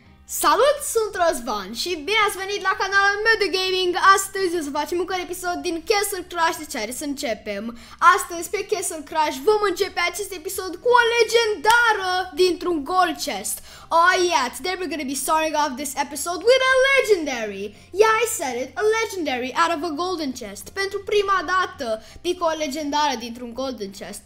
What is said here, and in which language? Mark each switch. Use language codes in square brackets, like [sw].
[ro] Salut, sunt Răzvan și bine ați venit la canalul meu de gaming. Astăzi o să facem un episod din Castle Crash, deci are să începem. Astăzi pe Castle Crash vom începe acest episod cu o legendară dintr-un gold chest. [en] Oh yeah, today we're gonna be starting off this episode with a legendary. Yeah, I said it, a legendary out of a golden chest. [ro] Pentru prima dată pică o legendară dintr-un golden chest.